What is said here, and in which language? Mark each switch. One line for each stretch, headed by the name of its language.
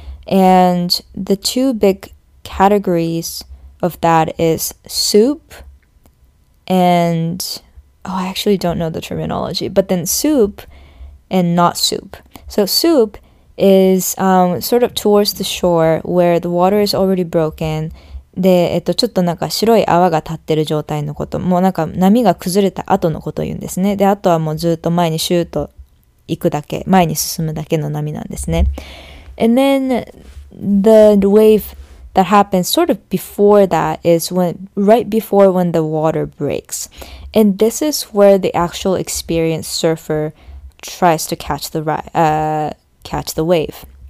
English: And the two big categories of that is soup and, oh, I actually don't know the terminology, but then soup and not soup. So soup is sort of towards the shore where the water is already broken
Japanese: で、ちょっとなんか白い泡が立ってる状態のこと、もうなんか波が崩れた後のことを言うんですね。で、あとはもうずっと前にシュート行くだけ、前に進むだけの波なんですね。
English: And then the wave that happens sort of before that is when, right before when the water breaks. And this is where the actual experienced surfer tries to catch the wave.